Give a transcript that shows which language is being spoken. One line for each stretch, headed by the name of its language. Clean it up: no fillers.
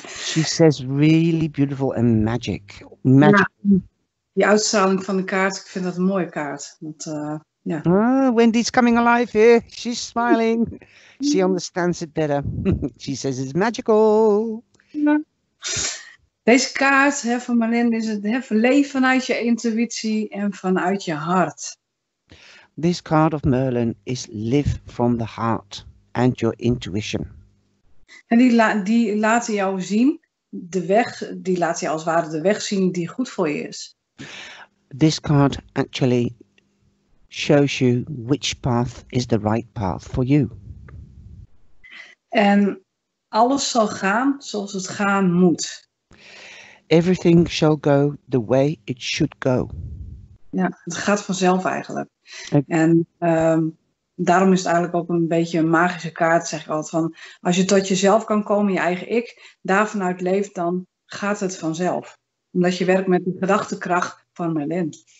English: She says really beautiful and magic. Magic.
Dutch: Ja, die uitstraling van de kaart, ik vind dat een mooie kaart. Want, yeah.
English: Ah, Wendy's coming alive here. She's smiling. She understands it better. She says it's magical.
Dutch: Deze kaart, hè, van Merlin, is het leef vanuit je intuïtie en vanuit je hart.
English: This card of Merlin is live from the heart and your intuition.
Dutch: En die laten jou zien, de weg, die laten je als het ware de weg zien die goed voor je is.
English: This card actually shows you which path is the right path for you.
Dutch: En alles zal gaan zoals het gaan moet.
English: Everything shall go the way it should go.
Dutch: Ja, het gaat vanzelf eigenlijk. Okay. En daarom is het eigenlijk ook een beetje een magische kaart, zeg ik altijd. Van als je tot jezelf kan komen, je eigen ik, daarvanuit leeft, dan gaat het vanzelf. Omdat je werkt met de gedachtekracht van Merlin.